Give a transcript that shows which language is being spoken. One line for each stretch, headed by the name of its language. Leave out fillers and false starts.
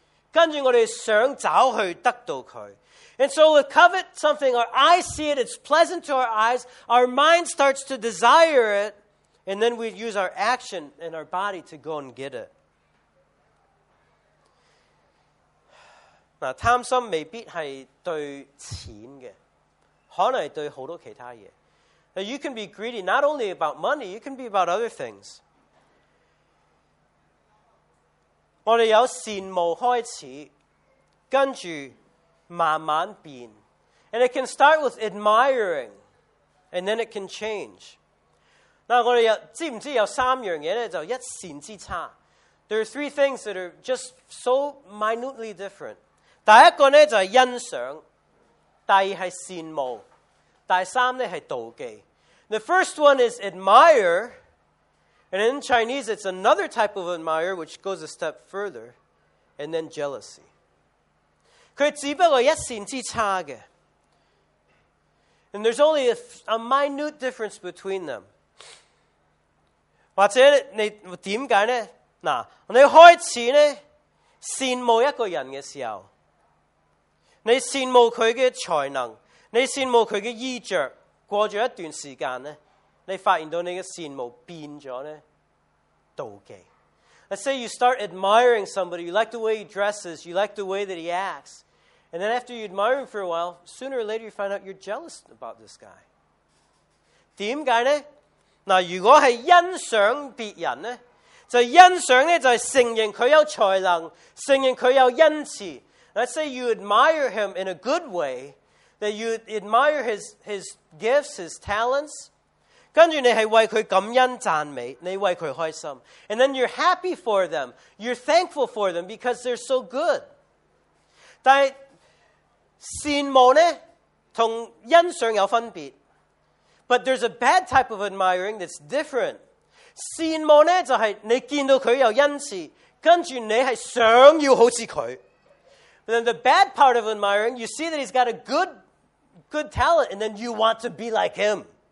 Cantonese: 跟住我哋想找去得到佢。
English: And so with covet something, our eyes see it, it's pleasant to our eyes, our mind starts to desire it, and then we use our action and our body to go and get it.
Cantonese: 嗱，贪心未必系对钱嘅，可能系对好多其他嘢。
English: Now you can be greedy not only about money, you can be about other things.
Cantonese: 我哋有羡慕开始，跟住慢慢变
English: ，and it can start with admiring, and then it can change.
Cantonese: 嗱，我哋有知唔知有三样嘢咧？就一线之差
English: ，there are three things that are just so minutely different.
Cantonese: 第一个咧就系欣赏，第二系羡慕，第三咧系妒忌。
English: The first one is admire. And in Chinese, it's another type of admire which goes a step further, and then jealousy.
Cantonese: 佢只不过一线之差嘅。
English: And there's only a minute difference between them.
Cantonese: 或者你点解呢？嗱，你开始呢羡慕一个人嘅时候，你羡慕佢嘅才能，你羡慕佢嘅衣着，过咗一段时间呢。你发现到你嘅羡慕变咗咧，妒忌。
English: Let's say you start admiring somebody, you like the way he dresses, you like the way that he acts, and then after you admire him for a while, sooner or later you find out you're jealous about this guy.
Cantonese: 点解咧？嗱，如果系欣赏别人咧，就欣赏咧就系承认佢有才能，承认佢有恩赐。
English: Let's say you admire him in a good way, that you admire his gifts, his talents.
Cantonese: 跟住你系为佢感恩赞美，你为佢开心
English: ，and then you're happy for them, you're thankful for them because they're so good.
Cantonese: 但系羡慕呢同欣赏有分别
English: ，but there's a bad type of admiring that's different.
Cantonese: 羡慕呢就系你见到佢有恩赐，跟住你系想要好似佢
English: ，but then the bad part of admiring, you see that he's got a good talent, and then you want to be like him.